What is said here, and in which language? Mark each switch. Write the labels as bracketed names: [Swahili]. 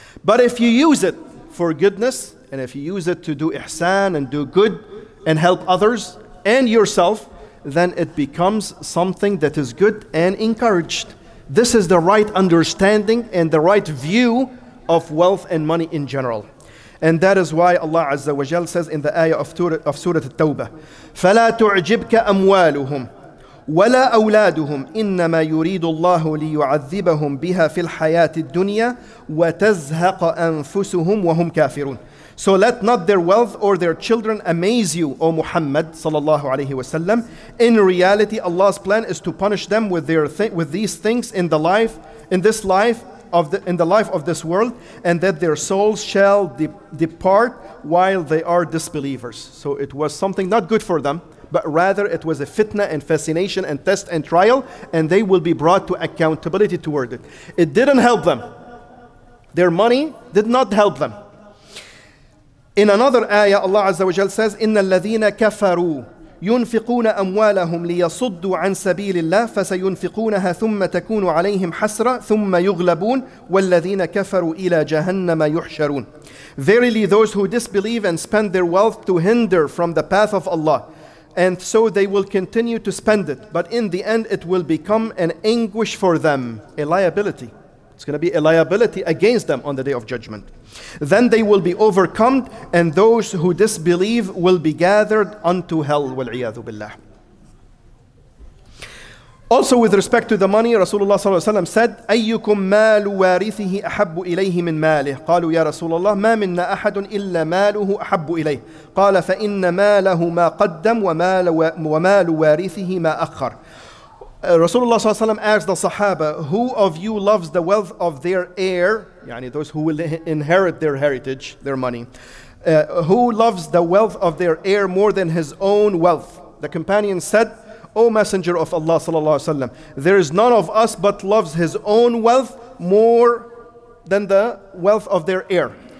[English] But if you use it for goodness, and if you use it to do ihsan and do good and help others and yourself, then it becomes something that is good and encouraged. This is the right understanding and the right view of wealth and money in general. And that is why Allah Azza wa Jal says in the ayah of Surah At-Tawbah, [Arabic] فَلَا تُعْجِبْكَ أَمْوَالُهُمْ ولا أولادهم إنما يريد الله ليعذبهم بها في الحياة الدنيا وتزهق أنفسهم وهم كافرون. [English] So let not their wealth or their children amaze you, O Muhammad [Arabic] صلى الله عليه وسلم. [English] In reality, Allah's plan is to punish them with these things in the life of this world, and that their souls shall depart while they are disbelievers. So it was something not good for them, but rather it was a fitna and fascination and test and trial, and they will be brought to accountability toward it. It didn't help them. Their money did not help them. In another ayah, Allah Azza wa Jal says, [Arabic] إِنَّ الَّذِينَ كَفَرُوا ينفقون أموالهم ليصدوا عن سبيل الله فسينفقونها ثم تكون عليهم حسرة ثم يغلبون والذين كفروا إلى جهنم يحشرون. [English] Verily those who disbelieve and spend their wealth to hinder from the path of Allah, and so they will continue to spend it, but in the end it will become an anguish for them, a liability. It's going to be a liability against them on the day of judgment. Then they will be overcome, and those who disbelieve will be gathered unto hell. [Arabic] Wal-iyadhu billah. [English] Also, with respect to the money, Rasulullah صلى الله عليه وسلم said, [Arabic] أيكم مال وارثه أحب إليه من ماله. قالوا يا رسول الله ما منا أحد إلا ماله أحب إليه. قال فإن ماله ما قدم ومال وارثه ما أخر. [English] Rasulullah s.a.w. asked the Sahaba, who of you loves the wealth of their heir, yani those who will inherit their heritage, their money, who loves the wealth of their heir more than his own wealth? The companion said, O Messenger of Allah s.a.w., there is none of us but loves his own wealth more than the wealth of their heir.